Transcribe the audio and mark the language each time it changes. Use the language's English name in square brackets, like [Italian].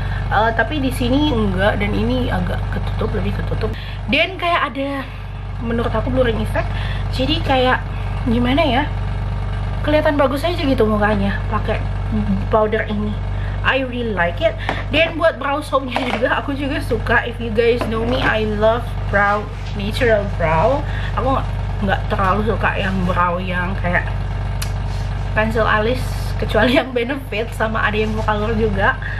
[Indonesian] Tapi di sini enggak, dan ini agak ketutup, lebih ketutup. Dan kayak ada, menurut aku, blurring effect. Jadi kayak gimana ya? Kelihatan bagus aja gitu mukanya pakai powder ini. [English] I really like it. [Indonesian] Dan buat brow soapnya juga, aku juga suka. [English] If you guys know me, I love brow, natural brow. [Indonesian] Aku enggak terlalu suka yang brow yang kayak pencil alis, kecuali yang Benefit, sama ada yang Vokalur juga.